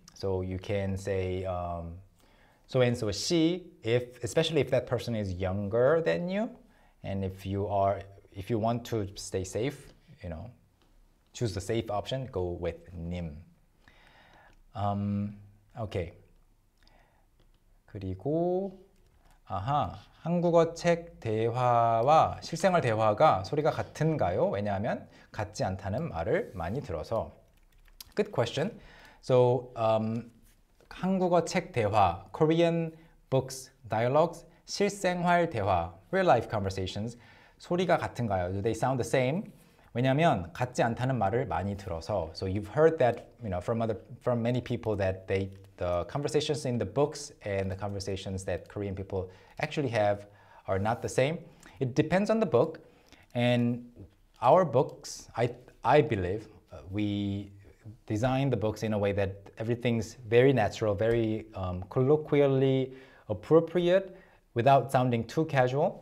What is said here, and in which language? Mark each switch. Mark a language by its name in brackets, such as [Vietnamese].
[English] So you can say, so-and-so 씨, especially if that person is younger than you, and if you want to stay safe, you know, choose the safe option, go with 님. Okay. [Korean] 그리고 아하 한국어 책 대화와 실생활 대화가 소리가 같은가요? 왜냐하면 같지 않다는 말을 많이 들어서. [English] Good question. So [Korean] 한국어 책 대화 [English] Korean books dialogues [Korean] 실생활 대화 [English] real life conversations [Korean] 소리가 같은가요? [English] Do they sound the same? [Korean] 왜냐하면 같지 않다는 말을 많이 들어서. [English] So you've heard that, you know, from many people that the conversations in the books and the conversations that Korean people actually have are not the same. It depends on the book. And our books, I believe, we design the books in a way that everything's very natural, very colloquially appropriate without sounding too casual.